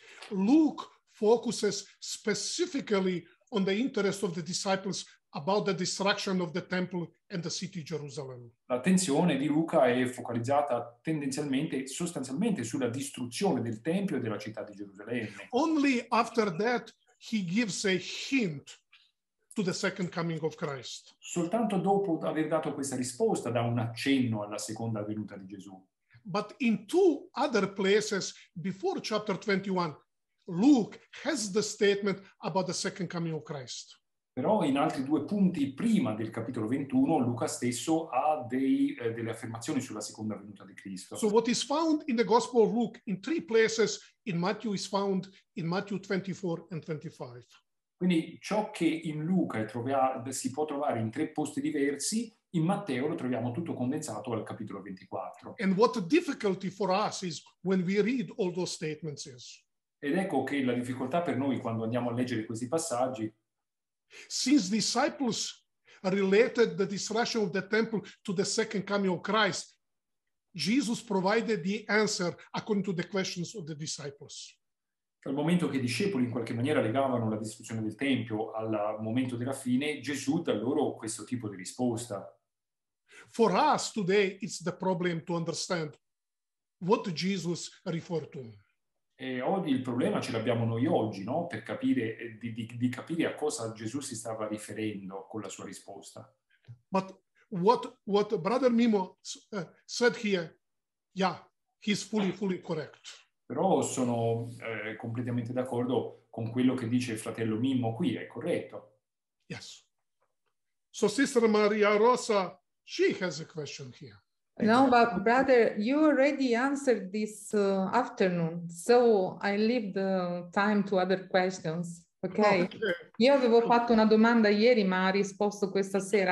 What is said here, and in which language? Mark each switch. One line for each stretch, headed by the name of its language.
English: Luke focuses specifically on the interest of the disciples about the destruction of the temple and the city Jerusalem.
Italian: L'attenzione di Luca è focalizzata tendenzialmente, sostanzialmente, sulla distruzione del tempio e della città di Gerusalemme.
English: Only after that he gives a hint to the second coming of Christ.
Italian: Soltanto dopo aver dato questa risposta dà un accenno alla seconda venuta di Gesù.
English: But in two other places before chapter 21, Luke has the statement about the second coming of Christ.
Italian: Però in altri due punti prima del capitolo 21, Luca stesso ha delle affermazioni sulla seconda venuta di Cristo.
English: So what is found in the Gospel of Luke in three places in Matthew is found in Matthew 24 and 25.
Italian: Quindi ciò che in Luca si può trovare in tre posti diversi, in Matteo lo troviamo tutto condensato al capitolo 24.
English: And what the difficulty for us is when we read all those statements is.
Italian: Ed ecco che la difficoltà per noi quando andiamo a leggere questi passaggi.
English: Since disciples related the destruction of the temple to the second coming of Christ, Jesus provided the answer according to the questions of the disciples.
Italian: Dal momento che i discepoli in qualche maniera legavano la distruzione del tempio al momento della fine, Gesù dà loro questo tipo di risposta.
English: For us today, it's the problem to understand what Jesus referred to.
Italian: E oggi il problema ce l'abbiamo noi oggi, no? Per capire, di capire a cosa Gesù si stava riferendo con la sua risposta.
English: But what brother Mimo said here, yeah, he's fully correct.
Italian: Però sono completamente d'accordo con quello che dice il fratello Mimo qui, è corretto.
English: Yes. So sister Maria Rosa, she has a question here. No, but brother, you already answered this afternoon, so I leave the time to other questions, okay?
Italian: Io avevo fatto una domanda ieri, ma ha risposto questa sera.